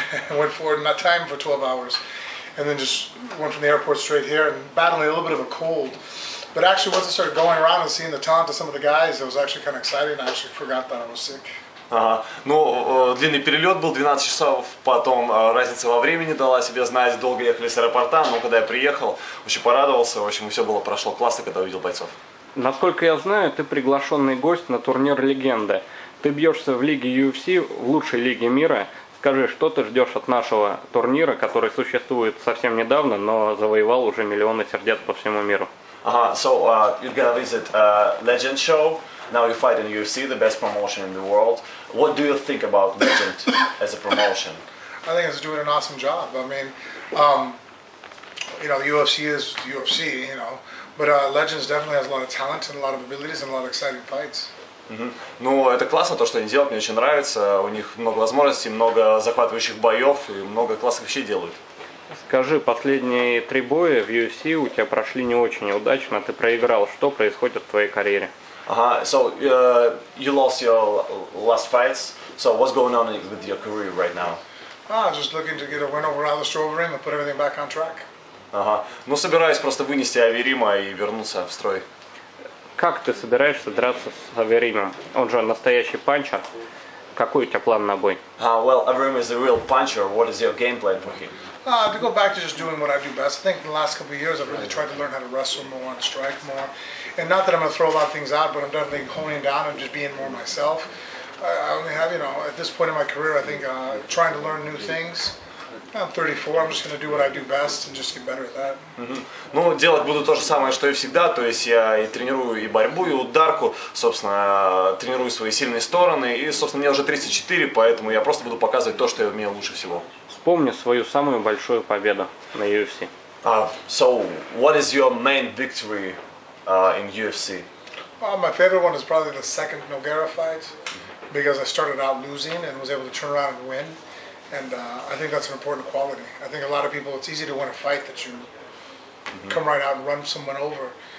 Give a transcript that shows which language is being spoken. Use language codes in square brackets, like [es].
[en] went forward in that time for 12 hours. And then just went from the airport straight here and battling a little bit of a cold. But actually, once I started going around and seeing the talent of some of the guys, it was actually kind of exciting. I actually forgot that I was sick. [ru] Ну, длинный перелет был 12 часов, потом разница во времени дала себе знать, долго ехали с аэропорта, но когда я приехал, очень порадовался, в общем, все было прошло классно, когда увидел бойцов. Насколько я знаю, ты приглашенный гость на турнир «Легенда». Ты бьешься в лиге UFC, в лучшей лиге мира. Скажи, что ты ждешь от нашего турнира, который существует совсем недавно, но завоевал уже миллионы сердец по всему миру? [en] You're gonna visit Legend Show. Now you fight in UFC, the best promotion in the world. What do you think about Legend as a promotion? I think it's doing an awesome job. I mean, you know, UFC is UFC, you know, but Legends definitely has a lot of talent and a lot of abilities and a lot of exciting fights. [ru] Ну, это классно, то, что они делают, мне очень нравится. У них много возможностей, много захватывающих боев и много классных вещей делают. Скажи, последние три боя в UFC у тебя прошли не очень удачно, ты проиграл. Что происходит в твоей карьере? [en] You lost your last fights. So what's going on with your career right now? Just looking to get a win over Оверима and put everything back on track. [ru] Ну, собираюсь просто вынести Оверима и вернуться в строй. Как ты собираешься драться с Оверимом? Он же настоящий панчер. Какой у тебя план на бой? [en] Оверима is a real puncher. What is your game plan for him? To go back to just doing what I do best. I think in the last couple of years I've really tried to learn how to wrestle more and strike more. And not that I'm gonna throw a lot of things out, but I'm definitely honing down and just being more myself. I only have, you know, at this point in my career, I think trying to learn new things. I'm 34, I'm just gonna do what I do best and just get better at that. [ru] Ну, делать буду то же самое, что и всегда. То есть я и тренирую и борьбу, и ударку, собственно, тренирую свои сильные стороны. И, собственно, мне уже 34, поэтому я просто буду показывать то, что я умею лучше всего. Вспомни свою самую большую победу на UFC. [en] So, what is your main victory in UFC? My favorite one is probably the second Nogueira fight, because I started out losing and was able to turn around and win. And I think that's an important quality. I think a lot of people, it's easy to win a fight that you come right out and run someone over.